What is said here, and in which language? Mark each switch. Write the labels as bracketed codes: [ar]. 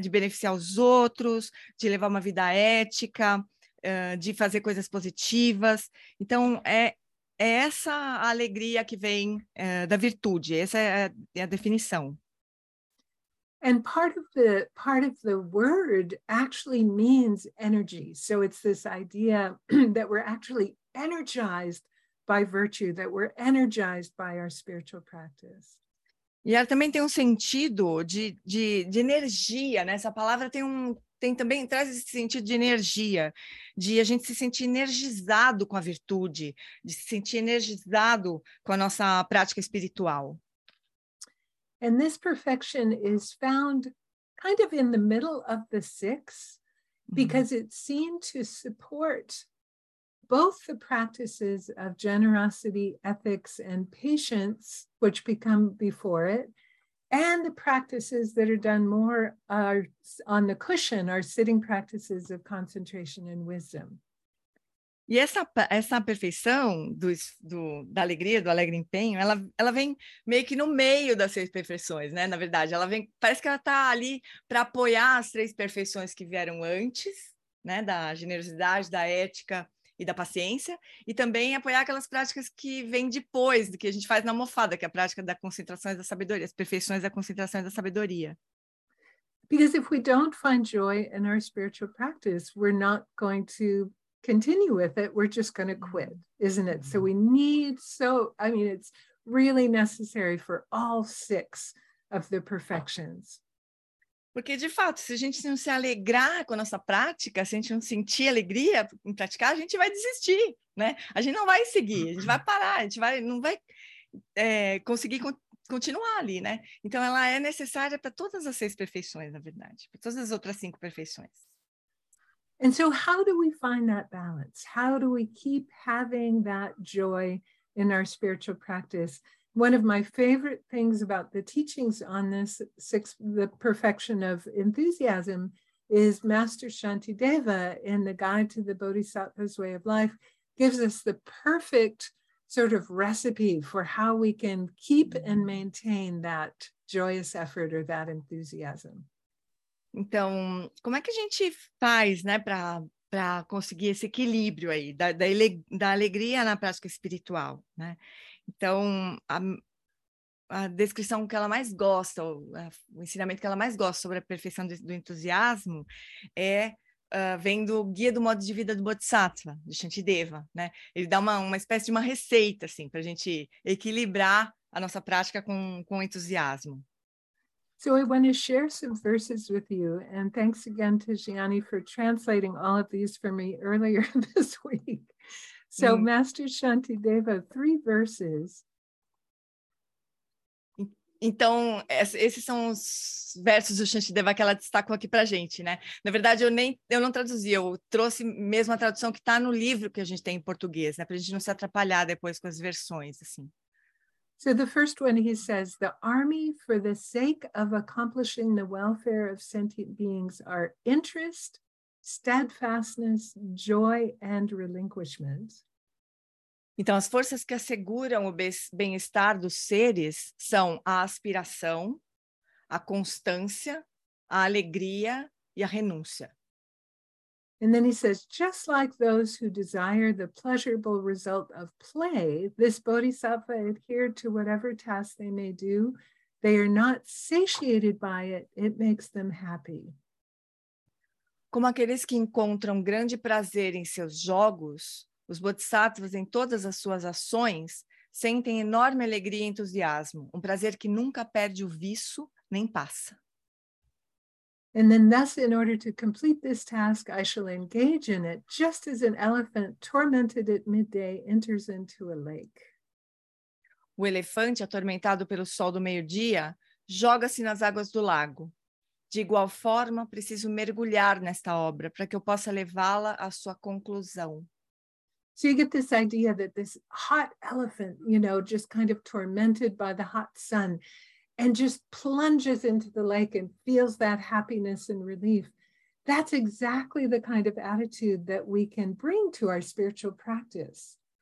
[pt] De beneficiar os outros, de levar uma vida ética, de fazer coisas positivas. Então, é essa alegria que vem da virtude. Essa é a definição. [en] And part of the word actually means energy. So it's this idea that we're actually energized by virtue, that we're energized by our spiritual practice. [pt] E ela também tem um sentido de energia, né? Essa palavra traz esse sentido de energia, de a gente se sentir energizado com a virtude, de se sentir energizado com a nossa prática espiritual. [en] And this perfection is found kind of in the middle of the six, because it seemed to support both the practices of generosity, ethics, and patience, which become before it, and the practices that are done more are on the cushion, are sitting practices of concentration and wisdom. [pt] E essa perfeição da alegria, do alegre empenho, ela vem meio que no meio das seis perfeições, né? Na verdade, ela vem, parece que ela está ali para apoiar as três perfeições que vieram antes, né? Da generosidade, da ética e da paciência, e também apoiar aquelas práticas que vêm depois, do que a gente faz na almofada, que é a prática da concentração e da sabedoria, as perfeições da concentração e da sabedoria. [en] Because if we don't find joy in our spiritual practice, we're not going to continue with it, we're just going to quit, isn't it? So we need, so, I mean, it's really necessary for all six of the perfections. [pt] Porque, de fato, se a gente não se alegrar com a nossa prática, se a gente não sentir alegria em praticar, a gente vai desistir, né? A gente não vai seguir, a gente vai parar, a gente vai, não vai conseguir continuar ali, né? Então, ela é necessária para todas as seis perfeições, na verdade, para todas as outras cinco perfeições. [en] And so how do we find that balance? How do we keep having that joy in our spiritual practice? One of my favorite things about the teachings on this six, the perfection of enthusiasm, is Master Shantideva in the Guide to the Bodhisattva's Way of Life gives us the perfect sort of recipe for how we can keep and maintain that joyous effort or that enthusiasm. [pt] Então, como é que a gente faz, né, para conseguir esse equilíbrio aí da alegria na prática espiritual, né? Então, a descrição que ela mais gosta, o ensinamento que ela mais gosta sobre a perfeição do entusiasmo é vem do Guia do Modo de Vida do Bodhisattva, de Shantideva, né? Ele dá uma espécie de uma receita, assim, para a gente equilibrar a nossa prática com entusiasmo. [en] So I want to share some verses with you, and thanks again to Gianni for translating all of these for me earlier this week. So Master Shantideva, three verses. [pt] Então, esses são os versos do Shantideva que ela destacou aqui pra gente, né? Na verdade, eu não traduzi, eu trouxe mesmo a tradução que tá no livro que a gente tem em português, né? Pra gente não se atrapalhar depois com as versões, assim. [en] So the first one, he says, the army, for the sake of accomplishing the welfare of sentient beings, are interest, steadfastness, joy, and relinquishment. [pt] Então, as forças que asseguram o bem-estar dos seres são a aspiração, a constância, a alegria e a renúncia. [en] And then he says, just like those who desire the pleasurable result of play, this bodhisattva adhere to whatever task they may do. They are not satiated by it. It makes them happy. [pt] Como aqueles que encontram grande prazer em seus jogos, os bodhisattvas em todas as suas ações sentem enorme alegria e entusiasmo, um prazer que nunca perde o viço nem passa. [en] And then thus, in order to complete this task, I shall engage in it, just as an elephant tormented at midday enters into a lake. [pt] O elefante, atormentado pelo sol do meio-dia, joga-se nas águas do lago. De igual forma, preciso mergulhar nesta obra para que eu possa levá-la à sua conclusão. [en] So you get this idea that this hot elephant, you know, just kind of tormented by the hot sun, and just plunges into the lake and feels that happiness and relief. That's exactly the kind of attitude that we can bring to our spiritual practice.